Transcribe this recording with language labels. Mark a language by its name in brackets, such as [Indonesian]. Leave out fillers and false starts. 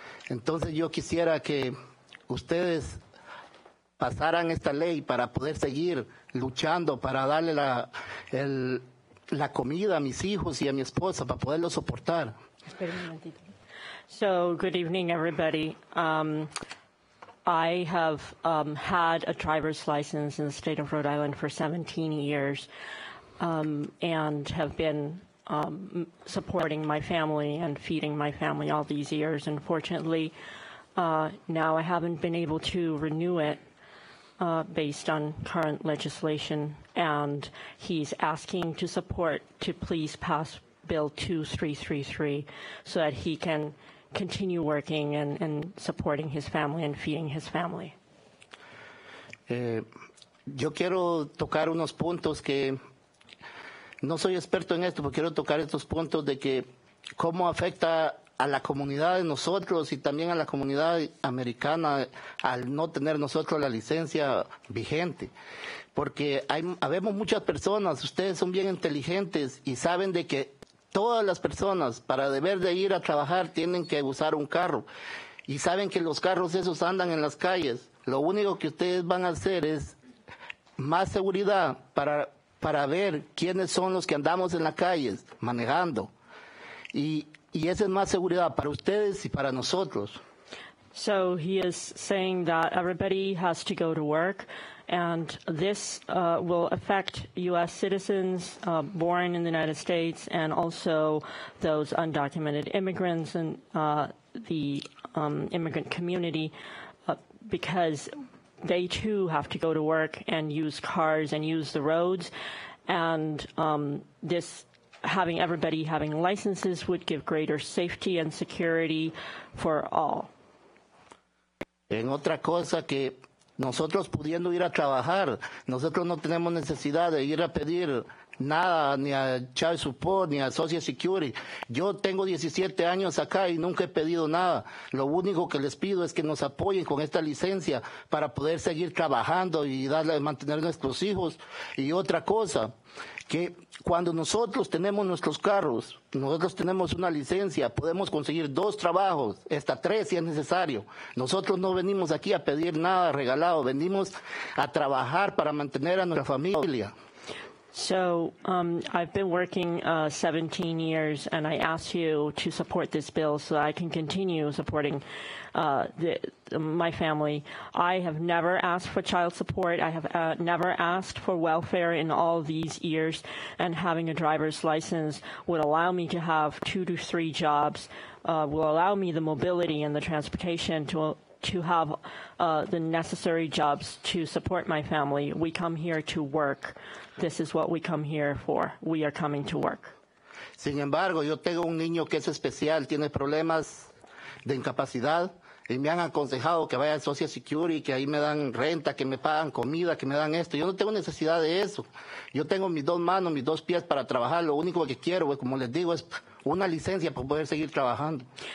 [Spanish] Entonces yo quisiera que ustedes pasaran esta ley para poder seguir luchando, para darle la, el, la comida a mis hijos y a mi esposa, para poderlo soportar. [English] So, good evening, everybody. I have had a driver's license in the state of Rhode Island for 17 years and have been supporting my family and feeding my family all these years. Unfortunately, now I haven't been able to renew it based on current legislation, and he's asking to support to please pass Bill 2333 so that he can continue working and supporting his family and feeding his family. [Spanish] Yo quiero tocar unos puntos que no soy experto en esto, pero quiero tocar estos puntos de que cómo afecta a la comunidad de nosotros y también a la comunidad americana al no tener nosotros la licencia vigente. Porque hay, habemos muchas personas, ustedes son bien inteligentes y saben de que todas las personas para deber de ir a trabajar tienen que usar un carro. Y saben que los carros esos andan en las calles. Lo único que ustedes van a hacer es más seguridad para ver quiénes son los que andamos en la calle manejando. Y esa es más seguridad para ustedes y para nosotros. [English] So he is saying that everybody has to go to work, and this will affect U.S. citizens born in the United States and also those undocumented immigrants and the immigrant community, because they too have to go to work and use cars and use the roads. And this, having everybody having licenses, would give greater safety and security for all. [Spanish] En otra cosa que nosotros pudiendo ir a trabajar, nosotros no tenemos necesidad de ir a pedir nada ni a Child Support ni a Social Security. Yo tengo 17 años acá y nunca he pedido nada. Lo único que les pido es que nos apoyen con esta licencia para poder seguir trabajando y darle, mantener nuestros hijos. Y otra cosa, que cuando nosotros tenemos nuestros carros, nosotros tenemos una licencia, podemos conseguir dos trabajos, hasta tres si es necesario. Nosotros no venimos aquí a pedir nada regalado, venimos a trabajar para mantener a nuestra familia. [English] So I've been working 17 years, and I ask you to support this bill so that I can continue supporting my family. I have never asked for child support. I have never asked for welfare in all these years, and having a driver's license would allow me to have two to three jobs, will allow me the mobility and the transportation to have the necessary jobs to support my family. We come here to work. This is what we come here for. We are coming to work. [Spanish] Sin embargo, yo tengo un niño que es especial, tiene problemas de incapacidad, y me han aconsejado que vaya a Social Security, que ahí me dan renta, que me pagan comida, que me dan esto. Yo no tengo necesidad de eso. Yo tengo mis dos manos, mis dos pies para trabajar. Lo único que quiero, como les digo, es una licencia para poder seguir trabajando.